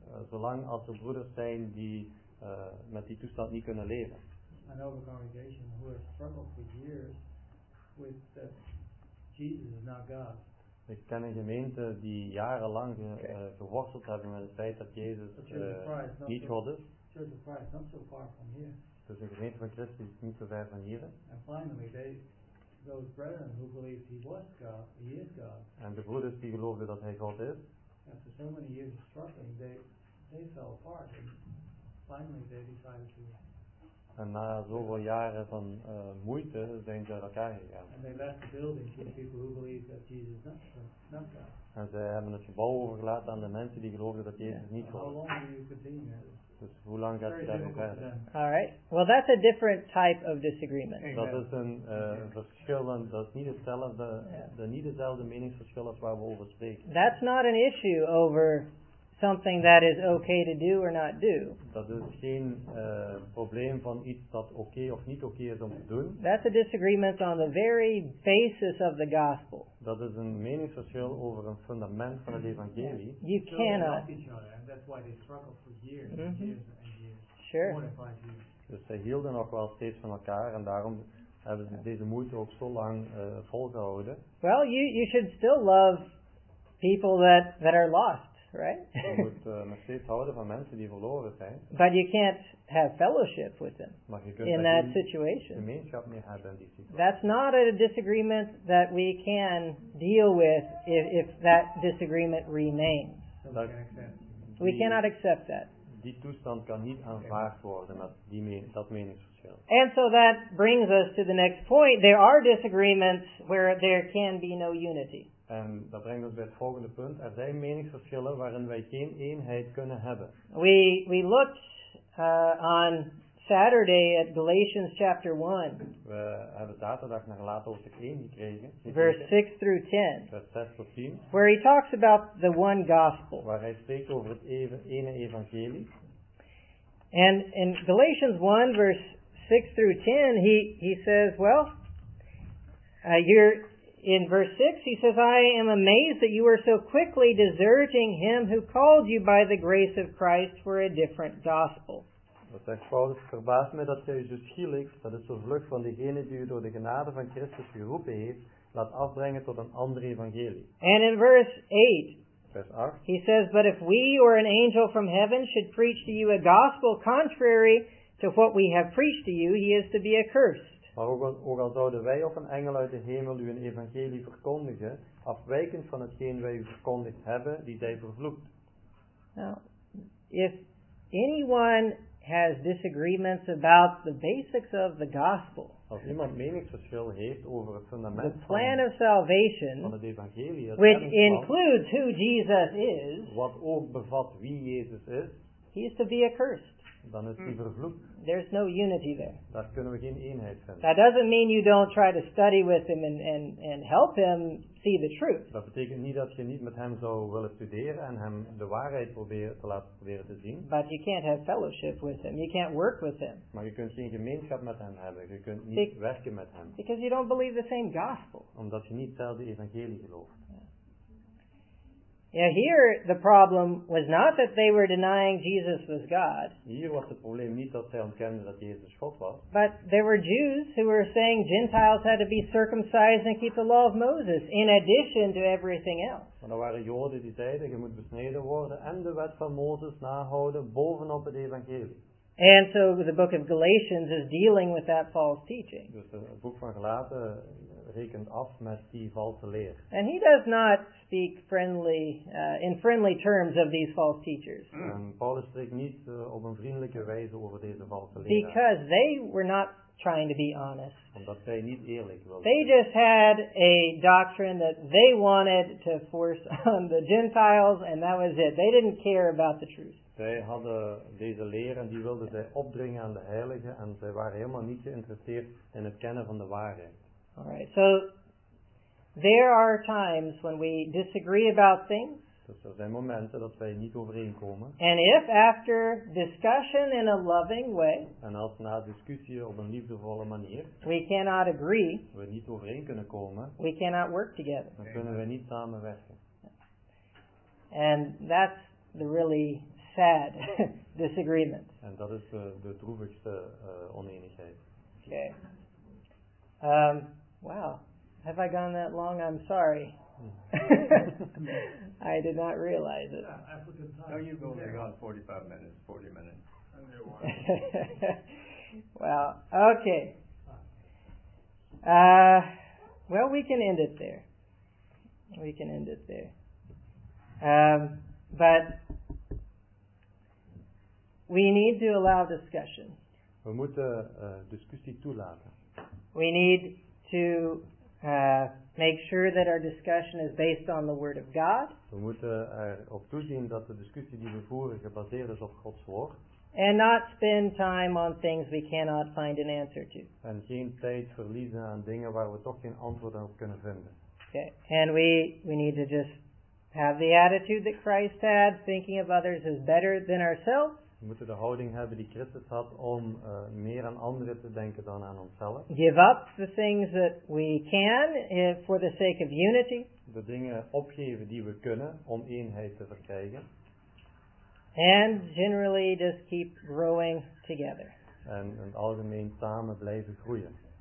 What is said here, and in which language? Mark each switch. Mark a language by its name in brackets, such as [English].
[Dutch] Zolang als er broeders zijn die met die toestand niet kunnen leven. [English] I know of a congregation who has struggled for years with the Jesus is not God. [Dutch] Ik ken een gemeente die jarenlang geworsteld hebben met het feit dat Jezus niet God is. [English] Church of Christ, not so far from here. [Dutch] Dus een gemeente van Christus is niet zo ver van hier. [English] And finally, those brethren who believed he was God, he is God. [Dutch] En de broeders die geloofden dat hij God is. [English] After so many years of struggling, they fell apart. And finally, they decided to. [Dutch] En na zoveel jaren van moeite zijn ze uit elkaar gegaan. [English] And they left the building to the people who believed that Jesus is not God. [Dutch] En ze hebben het gebouw overgelaten aan de mensen die geloofden dat Jezus niet God is. [English] How long do you continue? [Dutch] Dus hoe lang gaat het daarop verder? [English] All right. Well, that's a different type of disagreement. [Dutch] Dat is een verschillend, dat is niet hetzelfde, niet dezelfde meningsverschil als waar we over spreken. [English] That's not an issue over something that is okay to do or not do. [Dutch] Dat is geen probleem van iets dat okay of niet okay is om te doen. [English] That's a disagreement on the very basis of the gospel. [Dutch] Dat is een meningsverschil over een fundament van het evangelie. [English] You cannot. So they love each other, and that's why they struggle for years and years. [Dutch] Dus ze hielden ook wel steeds van elkaar, en daarom hebben ze deze moeite ook zo lang volgehouden. [English] Well, you should still love people that are lost. Right? [Dutch] Je moet nog steeds houden van mensen die verloren zijn. [English] But you can't have fellowship with them. [Dutch] Maar je kunt [English] in that situation. [Dutch] Gemeenschap niet hebben in die situatie. [English] That's not a disagreement that we can deal with if that disagreement remains. We cannot accept that. [Dutch] Die toestand kan niet aanvaard worden met dat meningsverschil. [English] And so that brings us to the next point. There are disagreements where there can be no unity. [Dutch] En dat brengt ons bij het volgende punt. Er zijn meningsverschillen waarin wij geen eenheid kunnen hebben. [English] We looked on Saturday at Galatians chapter 1. [Dutch] We hebben zaterdag naar Galaten hoofdstuk 1 gekregen. [English] Verse 6 through 10. [Dutch] Vers 6 tot 10. [English] Where he talks about the one gospel. [Dutch] Waar hij spreekt over het ene evangelie. [English] And in Galatians 1 verse 6 through 10 he says, well, you're... In verse 6, he says, I am amazed that you are so quickly deserting him who called you by the grace of Christ for a different gospel. [Dutch] Dat zegt Paulus, verbaast mij dat gij zo schielijk, dat is zo vlug van degene die u door de genade van Christus geroepen heeft, laat afbrengen tot een andere evangelie. [English] And in verse 8, [Dutch] vers 8, [English] he says, but if we or an angel from heaven should preach to you a gospel contrary to what we have preached to you, he is to be accursed. [Dutch] Maar ook al zouden wij of een engel uit de hemel u een evangelie verkondigen, afwijkend van hetgeen wij u verkondigd hebben, die zij vervloekt. [English] Now, if anyone has disagreements about the basics of the gospel, [Dutch] als iemand meningsverschil heeft over het fundament [English] the plan of salvation, [Dutch] van het evangelie, het [English] which includes who Jesus is, [Dutch] wat ook bevat wie Jezus is, [English] he is to be accursed. [Dutch] Dan is die vervloekt. [English] There's no unity there. [Dutch] Daar kunnen we geen eenheid vinden. [English] That doesn't mean you don't try to study with him and help him see the truth. [Dutch] Dat betekent niet dat je niet met hem zou willen studeren en hem de waarheid proberen te zien. [English] But you can't have fellowship with him. You can't work with him. [Dutch] Maar je kunt geen gemeenschap met hem hebben. Je kunt niet werken met hem. [English] Because you don't believe the same gospel. [Dutch] Omdat je niet hetzelfde evangelie gelooft. [English] Yeah, here the problem was not that they were denying Jesus was God. [Dutch] Hier was het probleem niet dat zij ontkenden dat Jezus God was. [English] But there were Jews who were saying Gentiles had to be circumcised and keep the law of Moses in addition to everything else. [Dutch] Maar er waren Joden die zeiden je moet besneden worden en de wet van Mozes nahouden bovenop het evangelie. [English] And so the book of Galatians is dealing with that false teaching. [Dutch] Dus het boek van Galaten rekent af met die valse leer. [English] And he does not speak friendly in friendly terms of these false teachers. [Dutch] En Paulus spreekt niet op een vriendelijke wijze over deze valse leer. [English] Because they were not trying to be honest. [Dutch] Omdat zij niet eerlijk wilden. [English] They just had a doctrine that they wanted to force on the Gentiles, and that was it. They didn't care about the truth. [Dutch] Zij hadden deze leer en die wilden zij opdringen aan de heiligen, en zij waren helemaal niet geïnteresseerd in het kennen van de waarheid. [English] All right. So there are times when we disagree about things. [Dutch] Dus er zijn momenten dat wij niet overeenkomen. [English] And if after discussion in a loving way, [Dutch] en als na discussie op een liefdevolle manier, [English] we cannot agree, [Dutch] we niet overeen kunnen komen, [English] we cannot work together. [Dutch] Dan kunnen we niet samenwerken. [English] And that's the really sad disagreement. [Dutch] En dat is de droevigste oneenigheid. [English] Okay. Wow. Have I gone that long? I'm sorry. I did not realize it. Yeah, no, you've only gone 45 minutes, 40 minutes. Well, okay. Well, we can end it there. We can end it there. But we need to allow discussion. [Dutch] We moeten discussie toelaten. [English] We need to make sure that our discussion is based on the Word of God. [Dutch] We moeten erop toezien dat de discussie die we voeren gebaseerd is op Gods woord. [English] And not spend time on things we cannot find an answer to. [Dutch] En geen tijd verliezen aan dingen waar we toch geen antwoord op kunnen vinden. [English] Okay. And we need to just have the attitude that Christ had, thinking of others as better than ourselves. [Dutch] We moeten de houding hebben die Christus had om meer aan anderen te denken dan aan onszelf. [English] Give up the things that we can for the sake of unity. [Dutch] De dingen opgeven die we kunnen om eenheid te verkrijgen. [English] And generally just keep growing together. [Dutch] En in het algemeen samen blijven groeien.